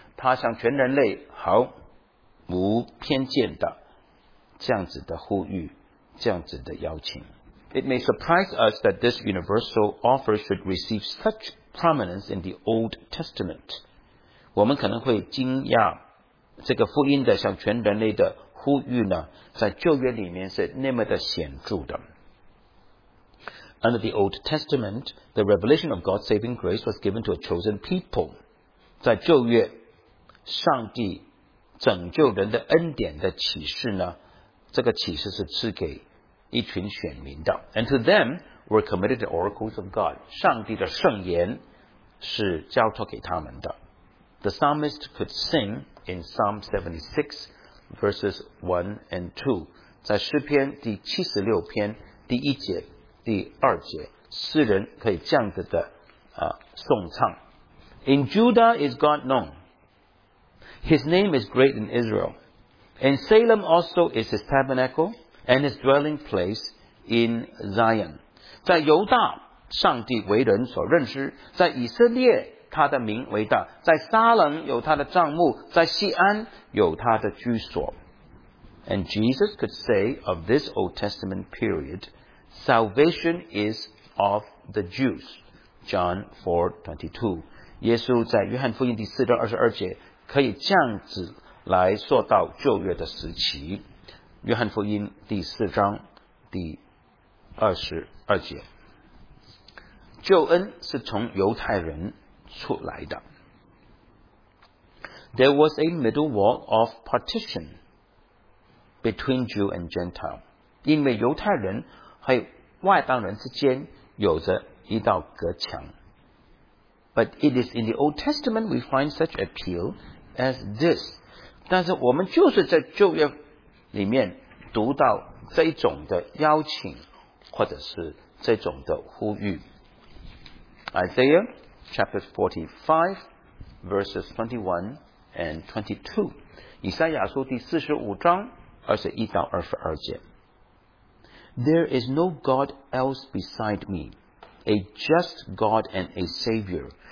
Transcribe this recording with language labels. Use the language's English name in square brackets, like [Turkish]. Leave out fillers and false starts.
[Chinese] 他向全人类毫无偏见的这样子的呼吁，这样子的邀请。 [English] It may surprise us that this universal offer should receive such prominence in the Old Testament. [Chinese] 我们可能会惊讶，这个福音的向全人类的呼吁呢，在旧约里面是那么的显著的。 [English] Under the Old Testament, the revelation of God's saving grace was given to a chosen people. [Chinese] 在旧约，上帝拯救人的恩典的启示呢，这个启示是赐给一群选民的。 [English] And to them were committed the oracles of God. [Chinese] 上帝的圣言是交托给他们的。 [English] The psalmist could sing in Psalm 76 verses 1 and 2. [Chinese] 在诗篇第76篇第一节第二节，诗人可以这样子的颂唱。 [English] In Judah is God known. His name is great in Israel. In Salem also is his tabernacle. And his dwelling place in Zion. [Chinese] 在犹大，上帝为人所认识；在以色列，他的名为大；在撒冷有他的帐幕；在锡安有他的居所。 [English] And Jesus could say of this Old Testament period, salvation is of the Jews. John 4:22. [Chinese] 耶稣在约翰福音第四章二十二节可以这样子来说到旧约的时期。约翰福音第四章第二十二节，救恩是从犹太人出来的。 [English] There was a middle wall of partition between Jew and Gentile. [Chinese] 因为犹太人和外邦人之间有着一道隔墙。 [English] But it is in the Old Testament we find such appeal as this. [Chinese] 但是我们就是在旧约里面读到这种的邀请或者是这种的呼吁。 [English] Isaiah chapter 45 verses 21 and 22, [Chinese] 以赛亚书第45章21到22节。 [English] There is no God else beside me, a just God and a Savior.